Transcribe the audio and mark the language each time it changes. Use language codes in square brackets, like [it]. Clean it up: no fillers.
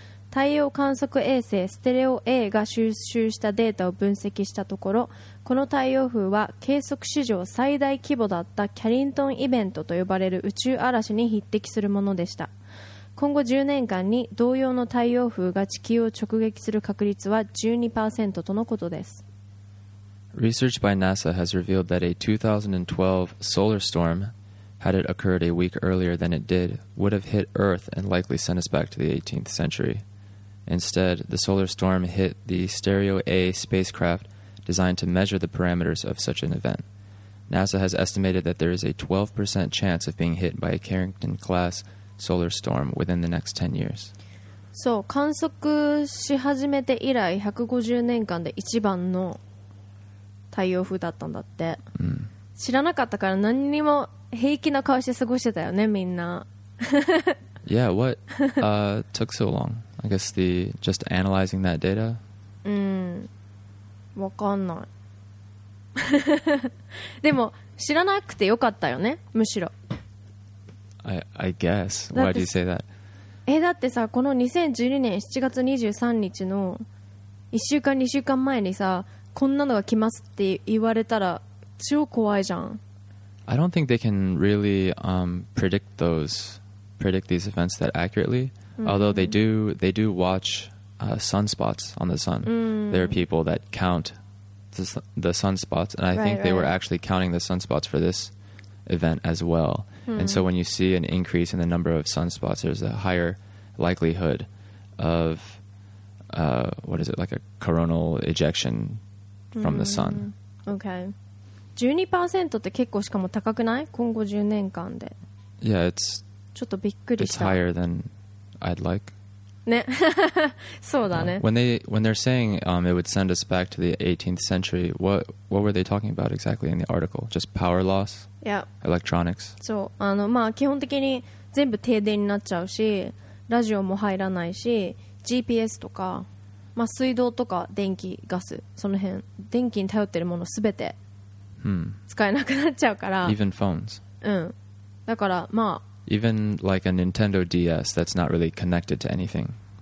[ja] 太陽観測衛星ステレオ A が収集したデータを分析したところ、この太陽風は計測史上最大規模だったキャリントンイベントと呼ばれる宇宙嵐に匹敵するものでした。今後10年間に同様の太陽風が地球を直撃する確率は 12% とのことです。 [en] Research by NASA has revealed that a 2012 solar storm, had it occurred a week earlier than it did, would have hit Earth and likely sent us back to the 18th century. Instead, the solar storm hit the Stereo A spacecraft designed to measure the parameters of such an event. NASA has estimated that there is a 12% chance of being hit by a Carrington-class solar storm within the next 10 years. [ja] そう、観測し始めて以来150年間で一番の太陽風だったんだって。知らなかったから何にも平気な顔して過ごしてたよね、みんな。 [en] Yeah, what took so long? I guess the just analyzing that data? [ja] わかんない。でも知らなくてよかったよね、むしろ。 [en] I guess. Why do you say that? [ja] だってさ、この2012年7月23日の1週間2週間前にさ、こんなのが来ますって言われたら超怖いじゃん。 [en] I don't think they can really predict these events that accurately. Although they do watch sunspots on the sun. There are people that count the sunspots, and I think they were actually counting the sunspots for this event as well. And so when you see an increase in the number of sunspots, there's a higher likelihood of a coronal ejection from the sun. Okay. [ja] 12% って結構しかも高くない？今後10年間で。 [en] Yeah, it's [ja] ちょっとびっくりした。 [en] It's higher than I'd like. [ja] ね、そうだね。 [en] When they're saying it would send us back to the 18th century, what were they talking about exactly in the article? Just power loss? Yeah. Electronics? [ja] そう、基本的に全部停電になっちゃうし、ラジオも入らないし、GPS とか、水道とか電気ガス、その辺電気に頼ってるものすべて。使えなくなっちゃうから。 [en] Even phones. [ja] だから、 [en] Even like a Nintendo DS that's not really connected to anything.